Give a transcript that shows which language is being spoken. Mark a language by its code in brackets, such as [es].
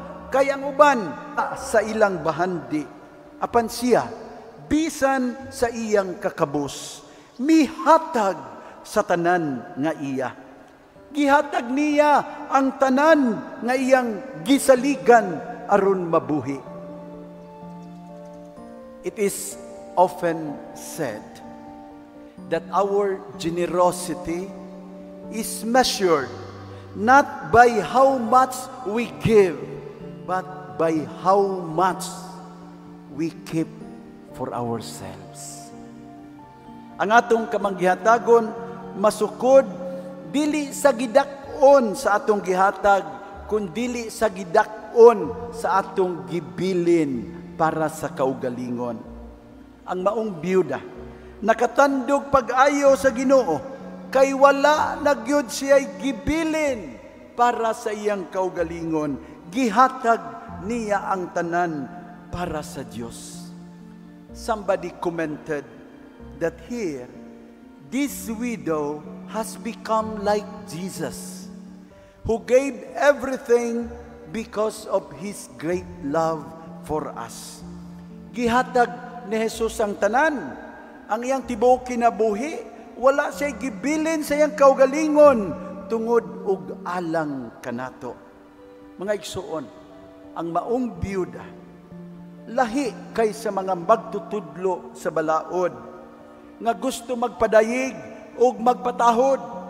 [ceb] Kay ang uban sa ilang bahandi, apan siya bisan sa iyang kakabus, mihatag sa tanan nga iya. Gihatag niya ang tanan nga iyang gisaligan aron mabuhi. [en] It is often said that our generosity is measured not by how much we give, but by how much we keep for ourselves. [ceb] Ang atong kamanggihatagon masukod dili sa gidak-on sa atong gihatag, kundili sa gidak-on sa atong gibilin para sa kaugalingon. Ang maong byuda nakatandog pag-ayo sa Ginoo kay wala na gyud siya'y gibilin para sa iyang kaugalingon. Gihatag niya ang tanan para sa Dios. [en] Somebody commented that here, this widow has become like Jesus, who gave everything because of His great love for us. [ceb] Gihatag ni Jesus ang tanan, ang iyang tibuok kinabuhi, wala siya gibilin sa iyang kaugalingon, tungod ug alang kanato. Mga igsuon, ang maong byuda, lahi kaysa mga magtutudlo sa balaod nga gusto magpadayig ug magpatahod.